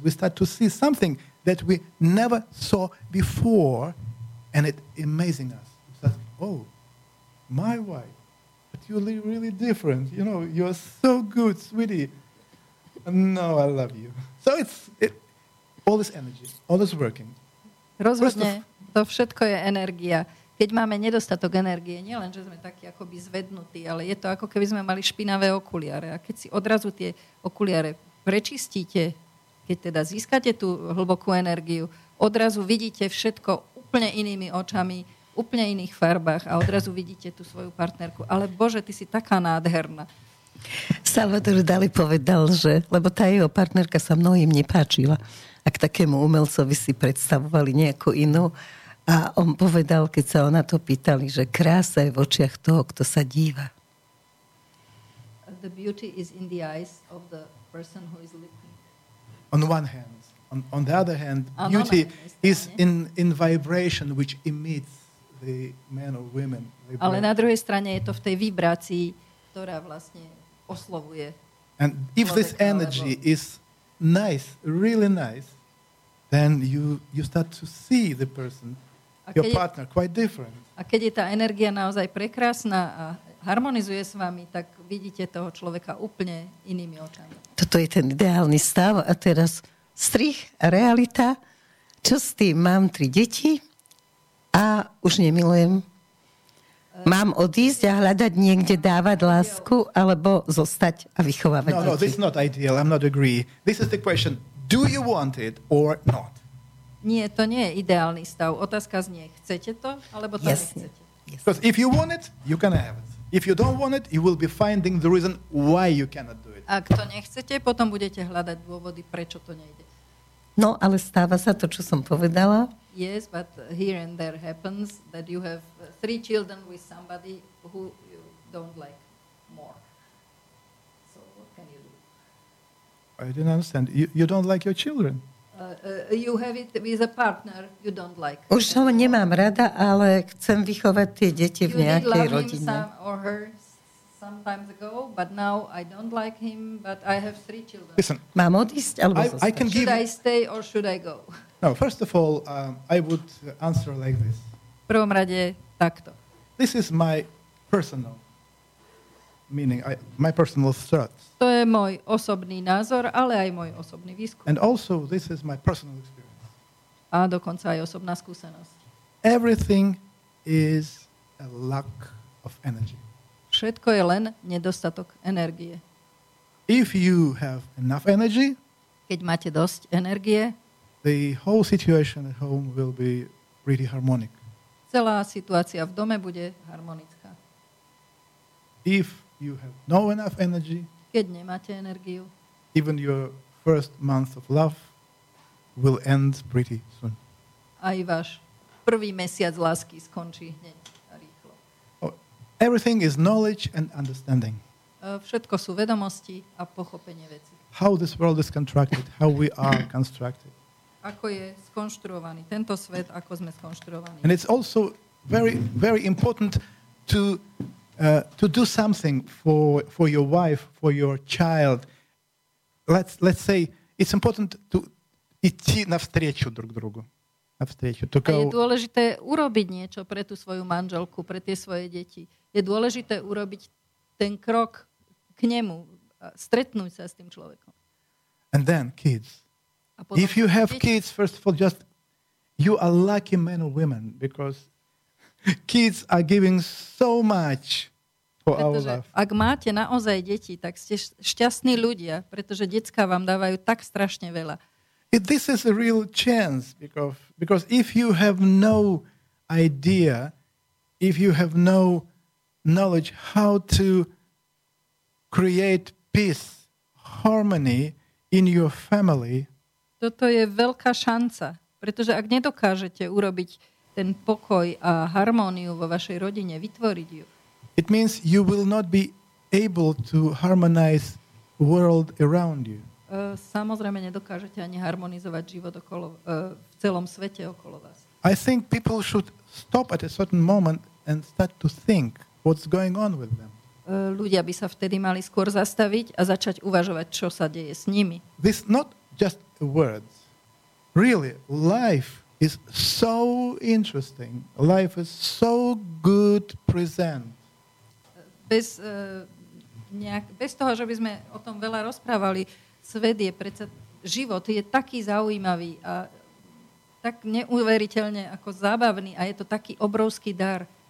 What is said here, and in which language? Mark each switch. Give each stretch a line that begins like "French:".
English: We start to see something that we never saw before, and it amazing us. It says, oh, my wife, but you're really different. You know, you're so good, sweetie. No, I love you. So it's all this energy, all this working.
Slovak: Rozhodne, to všetko je energia. Keď máme nedostatok energie, nie len, že sme takí akoby zvednutí, ale je to ako keby sme mali špinavé okuliare. A keď si odrazu tie okuliare prečistíte, keď teda získate tú hlbokú energiu, odrazu vidíte všetko úplne inými očami, úplne iných farbách a odrazu vidíte tú svoju partnerku. Ale Bože, ty si taká nádherná. Salvador Dali povedal, že lebo tá jeho partnerka sa mnohým nepáčila. Ak takému umelcovi si predstavovali nejakú inú. A on povedal, keď sa ona to pýtali, že krása je v očiach toho, kto sa díva.
English: The beauty is in the eyes of the person who is looking. On one hand, on the other hand, beauty is in vibration which emits the man or woman. Vibration.
Slovak: Ale na druhej strane je to v tej vibrácii, ktorá vlastne oslovuje.
English: And if this energy is nice, really nice, then you start to see the person. Your partner quite different.
Slovak: A keď je tá energia naozaj prekrásna a harmonizuje s vami, tak vidíte toho človeka úplne inými očami. Toto je ten ideálny stav a teraz strih a realita. Čo s tým? Mám 3 deti a už nemilujem. Mám odísť a hľadať niekde dávať lásku alebo zostať a vychovávať deti?
English: No, this is not ideal. I'm not agree. This is the question. Do you want it or not?
Slovak: Nie, to nie je ideálny stav. Otázka znie, chcete to, alebo to Jasne. Nechcete?
English: Because if you want it, you can have it. If you don't want it, you will be finding the reason why you cannot do it.
Slovak: Ak to nechcete, potom budete hľadať dôvody, prečo to nejde. No, ale stáva sa to, čo som povedala.
English: Yes, but here and there happens that you have 3 children with somebody who you don't like more. So what can you do? I didn't understand. You don't like your children. You have it with a partner you don't like.
Slovak: Už ho nemám rada, ale chcem vychovať tie deti v nejakej rodine.
English: You did love him some or her sometimes ago, but now I don't like him, but I have 3 children. Listen,
Slovak: mám odísť alebo zostať?
English: Should I stay or should I go? No, first of all, I would answer like this.
Slovak: V prvom rade takto.
English: This is my personal meaning, my personal thoughts.
Slovak: To je môj osobný názor, ale aj môj osobný výskum.
English: And also this is my personal experience.
Slovak: A dokonca aj osobná skúsenosť.
English: Everything is a lack of energy.
Slovak: Všetko je len nedostatok energie.
English: If you have enough energy,
Slovak: keď máte dosť energie,
English: the whole situation at home will be really harmonic.
Slovak: Celá situácia v dome bude harmonická.
English: If you have no enough energy,
Slovak: keď nemáte energiu.
English: Even your first month of love will end pretty soon.
Slovak: Aj váš prvý mesiac lásky skončí hneď a rýchlo.
English: Oh, everything is knowledge and understanding.
Slovak: Všetko sú vedomosti a pochopenie veci.
English: How this world is constructed, how we are constructed.
Slovak: Ako je skonštruovaný tento svet, ako sme skonštruovaní.
English: And it's also very, very important to do something for your wife, for your child. Let's say it's important to
Russian: idti navstrieču druh drugu. Navstrieču,
English: to go.
Slovak: Je dôležité urobiť niečo pre tú svoju manželku, pre tie svoje deti. Je dôležité urobiť ten krok k nemu, stretnúť sa s tým človekom.
English: And then kids. If you have kids, first of all, just you are lucky men or women, because kids are giving so much
Slovak: pretože ak máte naozaj deti, tak ste šťastní ľudia, pretože decká vám dávajú tak strašne veľa.
English: This is a real chance because if you have no idea, if you have no knowledge how to create peace, harmony in your family.
Slovak: Toto je veľká šanca, pretože ak nedokážete urobiť ten pokoj a harmóniu vo vašej rodine, vytvoriť ju.
English: It means you will not be able to harmonize world around you.
Slovak: Samozrejme nedokážete ani harmonizovať život okolo v celom svete okolo vás.
English: I think people should stop at a certain moment and start to think what's going on with them.
Slovak: Ľudia by sa vtedy mali skôr zastaviť a začať uvažovať, čo sa deje s nimi.
English: This not just words. Really, life is so interesting. Life is so good present.
Slovak: Bez toho, že by sme o tom veľa rozprávali, svet je predsa, život je taký zaujímavý a tak neuveriteľne ako zábavný a je to taký obrovský dar.